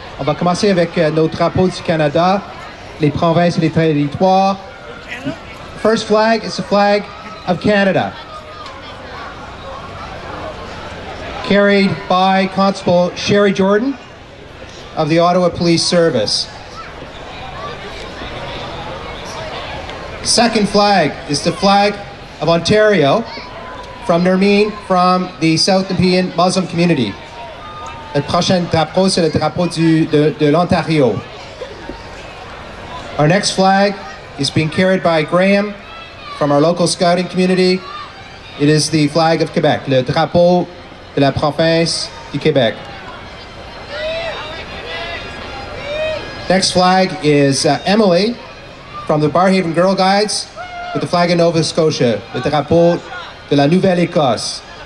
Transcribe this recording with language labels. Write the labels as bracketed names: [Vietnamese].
[French] On va commencer avec nos drapeaux du Canada, les provinces et les territoires. [English] First flag is the flag of Canada, carried by Constable Sherry Jordan of the Ottawa Police Service. Second flag is the flag of Ontario from Nermeen, from the South Nepean Muslim community. [French] Le prochain drapeau, c'est le drapeau de l'Ontario. [English] Our next flag is being carried by Graham from our local scouting community. It is the flag of Quebec, [French] le drapeau de la province du Québec. [English] Next flag is Emily from the Barrhaven Girl Guides with the flag of Nova Scotia, the [French] drapeau de la Nouvelle-Écosse.